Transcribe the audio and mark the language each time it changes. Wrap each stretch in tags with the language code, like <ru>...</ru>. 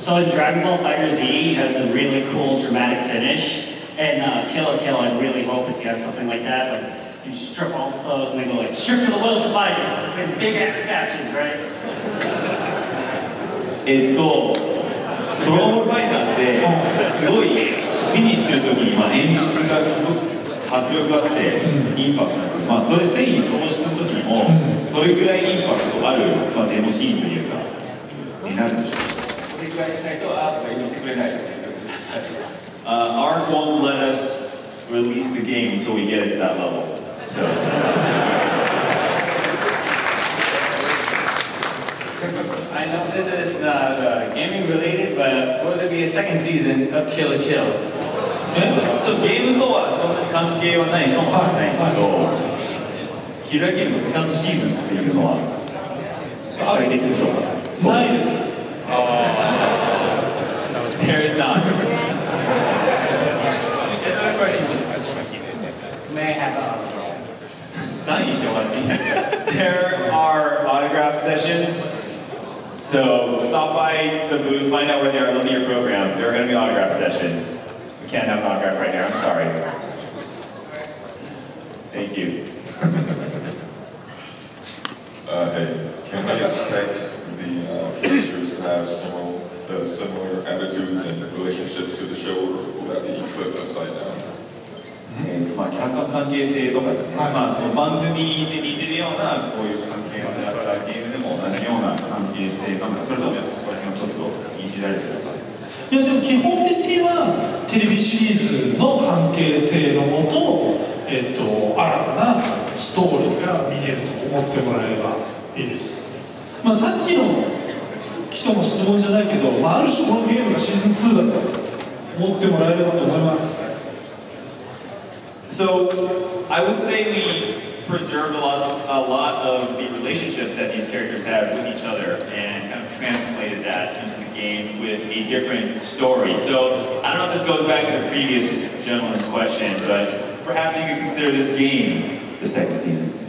<en>So in Dragon Ball FighterZ, you have the really cool dramatic finish, and Kill la Kill, I really hope if you have something like that, but you strip all the clothes and they go like, strip to the will to fight, and big ass captions, right?</en> <ja>ドラゴンファイターズですごいフィニッシュするときに、まあ、演出がすごく迫力があってインパクトなんですけど、まあ、それ戦意喪失のときにもそれぐらいインパクトある、まあ、デモシーンというかになるんでしょうか。それぐらいしないとアートが許してくれないので</ja> <en>ARK won't let us release the game until we get it that level、so. I know this is not gaming related, but will there be a second season of Kill a Kill?</en> <ja>ちょっとゲームとはそんな関係はないかもしれないですけど、キラキラのセカンドシーズンっていうのは期待できるでしょうか？ないです。</ja> <en>There is not. Another question. May I have a</en> <ja>サインしてもらっていいですか？</ja> <en>There are autograph sessions. So stop by the booth, find out where they are, look at your program. There are going to be autograph sessions. We can't have an autograph right now, I'm sorry. Thank you. Hey, can we expect the characters to have similar attitudes and relationships to the show, or will that be put upside down?</en> <ja>まあ、客観関係性とかですね、はい、まあ、その番組で似てるようなこういう関係はだからゲームでも同じような関係性なので、それともそこら辺をちょっといじられてくださいいや、でも基本的にはテレビシリーズの関係性のもと、新たなストーリーが見えると思ってもらえればいいです。まあ、さっきの人の質問じゃないけど、まあ、ある種このゲームがシーズン2だと思ってもらえればと思います。</ja> <en>So, I would say we preserved a lot of the relationships that these characters have with each other and kind of translated that into the game with a different story. So, I don't know if this goes back to the previous gentleman's question, but perhaps you could consider this game the second season.</en>